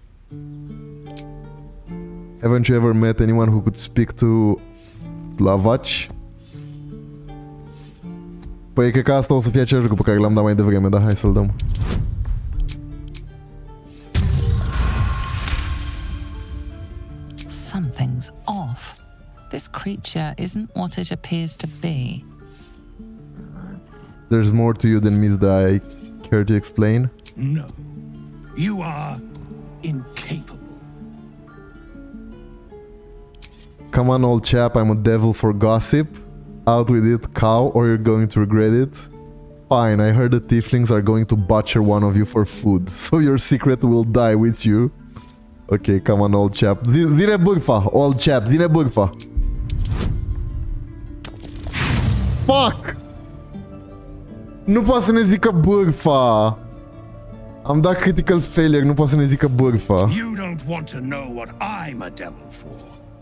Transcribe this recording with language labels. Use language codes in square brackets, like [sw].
[en] Haven't you ever met anyone who could speak to Lavach? [ro] Păi cred că asta o să fie același lucru pe care l-am dat mai devreme, dar hai să-l dăm. [en] Something's off. This creature isn't what it appears to be. There's more to you than meets the eye. Care to explain? No. You are incapable. Come on, old chap. I'm a devil for gossip. Out with it, cow, or you're going to regret it. Fine, I heard the tieflings are going to butcher one of you for food. So your secret will die with you. Okay, come on, old chap. Dine bugfa, old chap. Dine bugfa. Fuck! [ro] Nu poate să ne zică bârfa. Am dat critical failure, nu poate să ne zică bârfa. [en] You don't want to know what I'm a devil for.